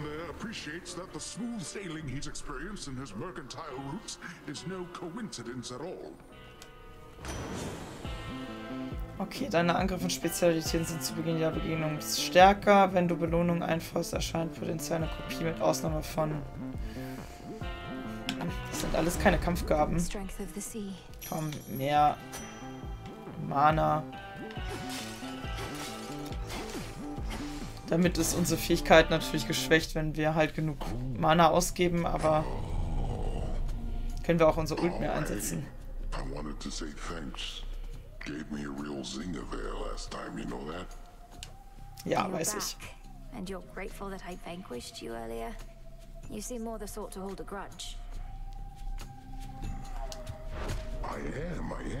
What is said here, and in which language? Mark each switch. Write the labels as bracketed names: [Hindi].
[English] Appreciates that the smooth sailing he's experienced in his mercantile routes is no coincidence at all. [German] Okay, deine Angriffe und Spezialitäten sind zu Beginn der Begegnung stärker. Wenn du Belohnung einforst, erscheint potenziell eine Kopie mit Ausnahme von. Das sind alles keine Kampfgaben. Komm, mehr Mana. Damit ist unsere Fähigkeit natürlich geschwächt, wenn wir halt genug Mana ausgeben, aber können wir auch unser Ult mehr einsetzen. [English] I wanted to say thanks. Gave me a real zinger there last time, you know that? [German] Ja, weiß ich. [English] And you're grateful that I vanquished you earlier. You seem more the sort to hold a grudge. I am.